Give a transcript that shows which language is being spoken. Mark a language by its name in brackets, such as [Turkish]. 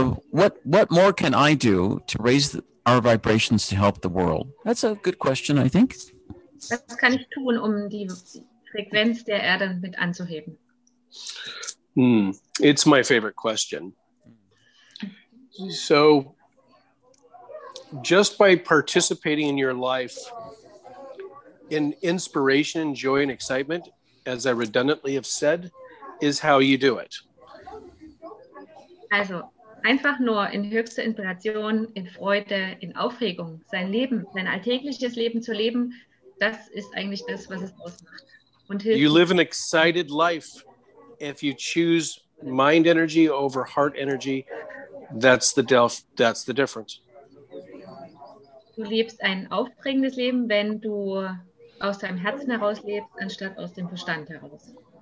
[English] what more can I do to raise our vibrations to help the world? That's a good question, I think. [German] Was kann ich tun, die Frequenz der Erde mit anzuheben? [English] It's my favorite question. So just by participating in your life in inspiration, joy, and excitement, as I redundantly have said, is how you do it. [German] Also einfach nur in höchster Inspiration, in Freude, in Aufregung, sein Leben, sein alltägliches Leben zu leben, das ist eigentlich das, was es ausmacht. Und hilft. [English] You live an excited life. If you choose mind energy over heart energy, that's the difference. [German] Du lebst ein aufregendes Leben, wenn du aus deinem Herzen heraus lebst, anstatt aus dem Verstand heraus.